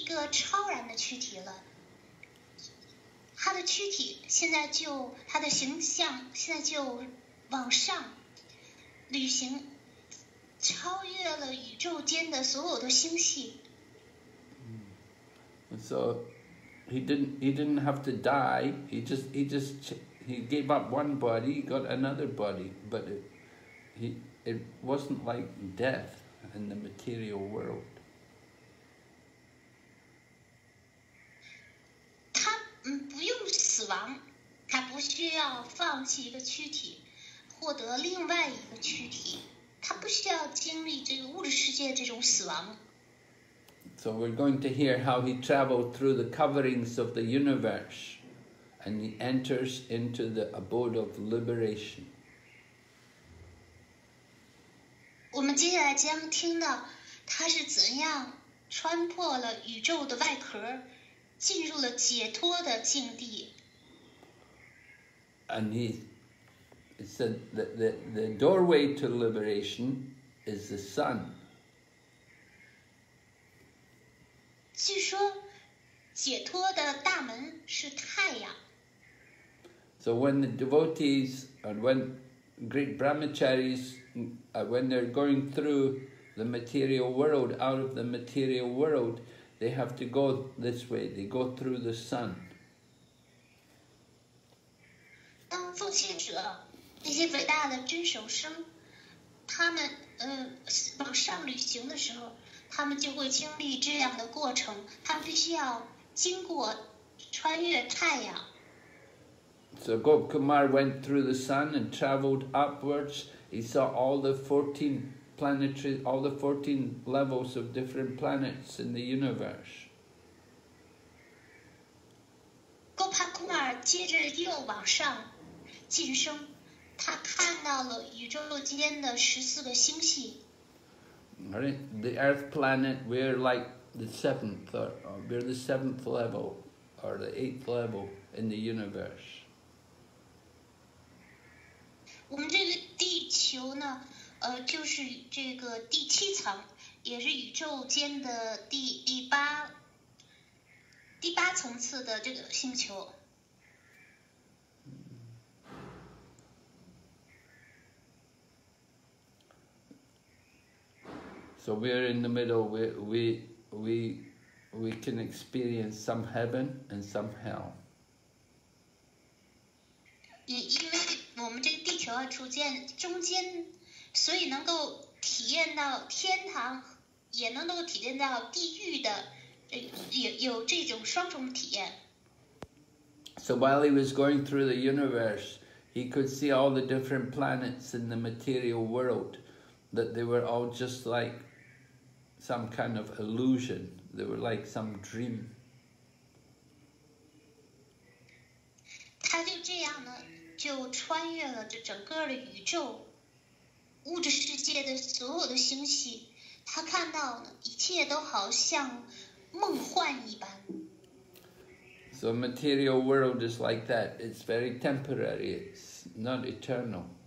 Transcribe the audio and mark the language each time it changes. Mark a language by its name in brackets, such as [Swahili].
[Chinese] 超然的躯体了，他的躯体现在就他的形象现在就往上旅行，超越了宇宙间的所有的星系。 [English] So he didn't have to die. He gave up one body, got another body, but it wasn't like death in the material world. [Chinese] 不用死亡，他不需要放弃一个躯体，获得另外一个躯体，他不需要经历这个物质世界这种死亡。 [English] So we're going to hear how he traveled through the coverings of the universe, and he enters into the abode of liberation. [Chinese] 我们接下来将听到他是怎样穿破了宇宙的外壳。进入了解脱的境地。 [English] And he said that the doorway to liberation is the sun. [Chinese] 据说解脱的大门是太阳。 [English] So when the devotees and when great brahmacharis, when they're going through the material world, out of the material world,They have to go this way. They go through the sun. [Chinese] 当奉献者，那些伟大的真守生，他们往上旅行的时候，他们就会经历这样的过程。他们必须要经过穿越太阳。 [English] So Gop Kumar went through the sun and traveled upwards. He saw all the 14. Planetary, all the 14 levels of different planets in the universe. [Chinese] Gopal Kumar 接着又往上晋升，他看到了宇宙间的14个星系。 [English] Right, the Earth planet, we're like the seventh, or we're the seventh level, or the eighth level in the universe. [Chinese] 我们这个地球呢？就是这个第七层，也是宇宙间的第八层次的这个星球。 [English] So we're in the middle. We can experience some heaven and some hell. [Chinese] 因为我们这个地球啊，处在中间。所以能够体验到天堂，也能够体验到地狱的，有这种双重体验。 [English] So while he was going through the universe, he could see all the different planets in the material world, that they were all just like some kind of illusion. They were like some dream. [Chinese] 他就这样呢，就穿越了这整个的宇宙。物质世界的所有的星系，他看到一切都好像梦幻一般。 [English] So material world is like that. It's very temporary. It's not eternal.